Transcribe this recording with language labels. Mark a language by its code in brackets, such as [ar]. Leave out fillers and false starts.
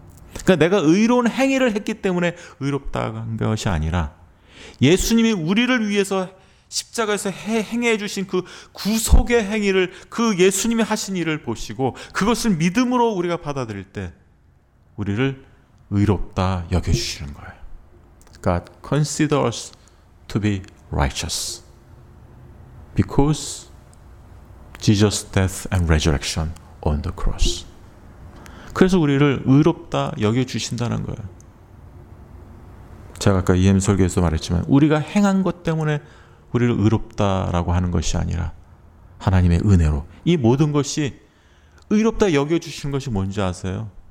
[ko] 그러니까 내가 의로운 행위를 했기 때문에 의롭다는 것이 아니라 예수님이 우리를 위해서 십자가에서 행해 주신 그 구속의 행위를 그 예수님이 하신 일을 보시고 그것을 믿음으로 우리가 받아들일 때 우리를 의롭다 여겨주시는 거예요. [en] God considers to be righteous because Jesus' death and resurrection on the cross. [ko] 그래서 우리를 의롭다 여겨주신다는 거예요. 제가 아까 EM 설교에서 말했지만 우리가 행한 것 때문에 우리를 의롭다라고 하는 것이 아니라 하나님의 은혜로 이 모든 것이 의롭다 여겨주시는 것이 뭔지 아세요?